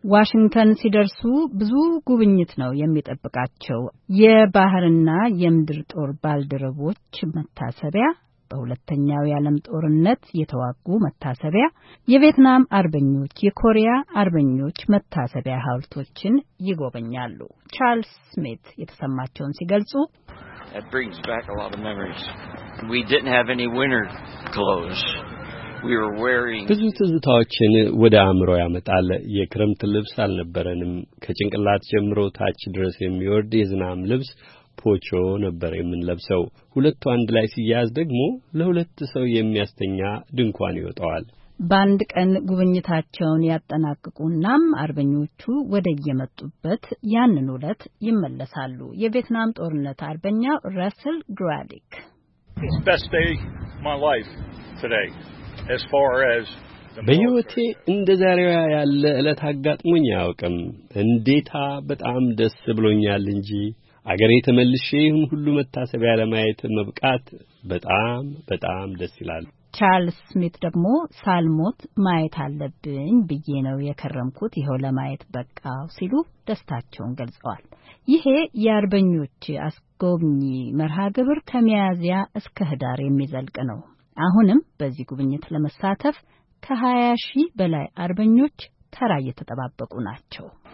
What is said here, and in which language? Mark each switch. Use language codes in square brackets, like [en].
[am] ዋሽንግተን ሲደርሱ ብዙ ጉብኝት ነው የሚጠብቃቸው። የባህርና የምድር ጦር ባልደረቦች መታሰቢያ፣ በሁለተኛው ዓለም ጦርነት የተዋጉ መታሰቢያ፣ የቪየትናም አርበኞች፣ የኮሪያ አርበኞች መታሰቢያ ሐውልቶችን ይጎበኛሉ። ቻርልስ ስሚት የተሰማቸውን ሲገልጹ [en] It brings back a lot of memories. We didn't have any winter clothes. We were wearing [am] ብዙ ትዝታዎችን ወደ አእምሮ ያመጣል። የክረምት ልብስ አልነበረንም። ከጭንቅላት ጀምሮ ታች ድረስ የሚወርድ የዝናም ልብስ ፖቾ ነበር የምንለብሰው። ሁለቱ አንድ ላይ ሲያዝ ደግሞ ለሁለት ሰው የሚያስተኛ ድንኳን ይወጣዋል። ባንድ ቀን ጉብኝታቸውን ያጠናቅቁናም አርበኞቹ ወደ የመጡበት ያንኑ ለት ይመለሳሉ። የቪየትናም ጦርነት አርበኛው ራስል ግራዲክ [en] Best day my life today as far as [am] በህይወቴ እንደዛሬው ያለ እለት አጋጥሞኝ አያውቅም። እንዴታ በጣም ደስ ብሎኛል እንጂ አገሬ ተመልሼ ይሁን ሁሉ መታሰቢያ ለማየት መብቃት በጣም በጣም ደስ ይላል። ቻርልስ ስሚት ደግሞ ሳልሞት ማየት አለብኝ ብዬ ነው የከረምኩት ይሄው ለማየት በቃው ሲሉ ደስታቸውን ገልጸዋል። ይሄ የአርበኞች አስጎብኚ መርሃ ግብር ከሚያዝያ እስከ ህዳር የሚዘልቅ ነው። አሁንም በዚህ ጉብኝት ለመሳተፍ ከ20,000 በላይ አርበኞች ተራ እየተጠባበቁ ናቸው።